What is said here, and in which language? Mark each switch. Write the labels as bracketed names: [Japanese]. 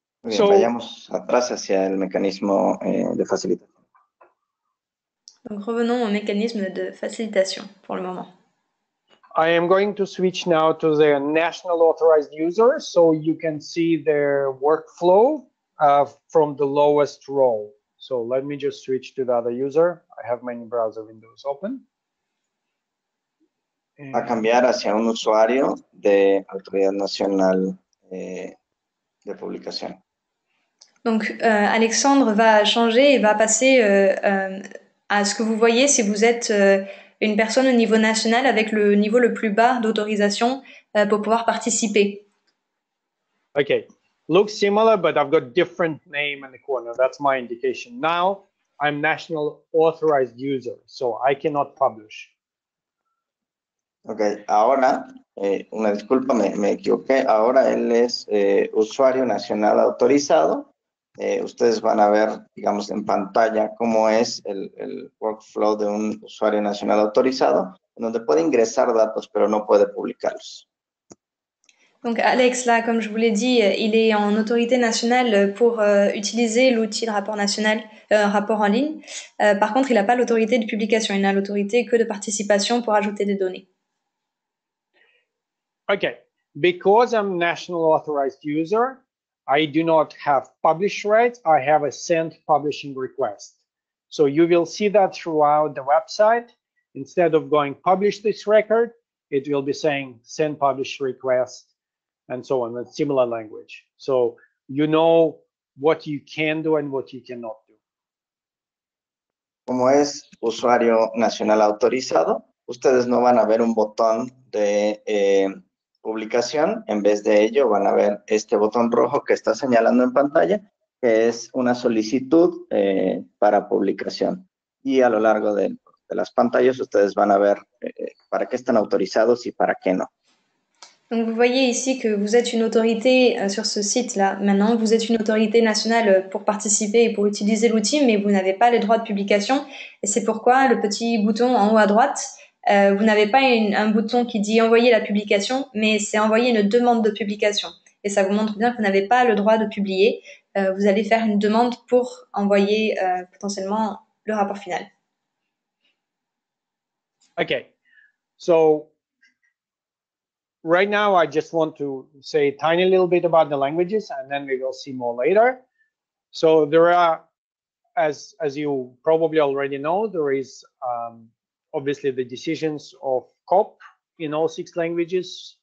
[Spanish] So, vayamos atrás hacia el mecanismo de facilitación. [French] Donc revenons au mécanisme de facilitation pour le moment. [English] I am going to switch now to the national authorized user so you can see their workflow from the lowest row. So let me just switch to the other user. I have many browser windows open. [Spanish] A cambiar hacia un usuario de autoridad nacional de publicación. [French] Donc, Alexandre va changer et va passer à ce que vous voyez si vous êtes une personne au niveau national avec le niveau le plus bas d'autorisation pour pouvoir participer. OK. [English] Looks similar, but I've got different name in the corner. That's my indication. Now, I'm national authorized user, so I cannot publish. [Spanish] OK. Ahora, una disculpa, me equivoqué. Ahora él es usuario nacional autorizado. Ustedes van a ver, digamos, en pantalla cómo es el workflow de un usuario nacional autorizado, donde puede ingresar datos, pero no puede publicarlos. [French] Donc Alex, là, comme je vous l'ai dit, il est en autorité nationale pour utiliser l'outil de rapport national, rapport en ligne. Par contre, il n'a pas l'autorité de publication, il n'a l'autorité que de participation pour ajouter des données. OK. [English] Because I'm national authorized user, I do not have publish rights, I have a send publishing request. So you will see that throughout the website. Instead of going publish this record, it will be saying send publish request and so on, a similar language. So you know what you can do and what you cannot do. [Spanish] Como es usuario nacional autorizado, ustedes no van a ver un botón de publicación, en vez de ello van a ver este botón rojo que está señalando en pantalla, que es una solicitud para publicación. Y a lo largo de las pantallas ustedes van a ver para qué están autorizados y para qué no. [French] Donc vous voyez ici que vous êtes une autorité sur ce site-là. Maintenant, vous êtes une autorité nationale pour participer et pour utiliser l'outil, mais vous n'avez pas les droits de publication. Et c'est pourquoi le petit bouton en haut à droite, vous n'avez pas un bouton qui dit « Envoyer la publication », mais c'est « Envoyer une demande de publication ». Et ça vous montre bien que vous n'avez pas le droit de publier. Vous allez faire une demande pour envoyer potentiellement le rapport final. OK. [English] So, right now, I just want to say a tiny little bit about the languages, and then we will see more later. So, there are, as you probably already know, there is obviously the decisions of COP in all six languages.